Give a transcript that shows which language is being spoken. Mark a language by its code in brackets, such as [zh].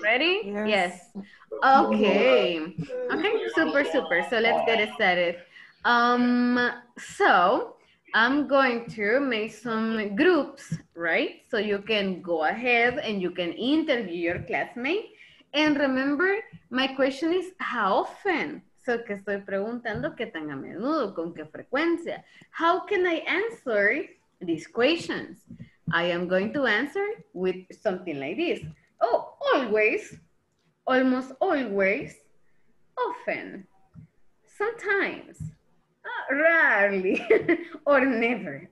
[en] Ready? Yes. Okay, super. So let's get started. So I'm going to make some groups, right? So you can go ahead and you can interview your classmate. And remember, my question is, how often? [es] So que estoy preguntando, ¿qué tan a menudo? ¿Con qué frecuencia? [en] How can I answer these questions? I am going to answer with something like this. Oh, always, almost always, often, sometimes, rarely, or never.